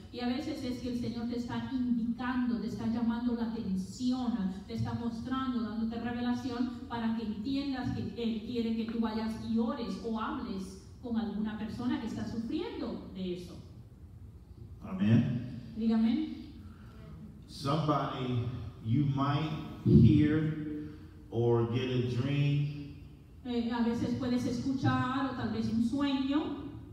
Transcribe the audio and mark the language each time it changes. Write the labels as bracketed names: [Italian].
[Spanish] Y a veces es que el Señor te está indicando, te está llamando la atención, te está mostrando, dándote revelación para que entiendas que Él quiere que tú vayas y ores o hables con alguna persona que está sufriendo de eso. Amen. Dígame. [English] Somebody you might hear or get a dream. [Spanish] A veces puedes escuchar o tal vez un sueño.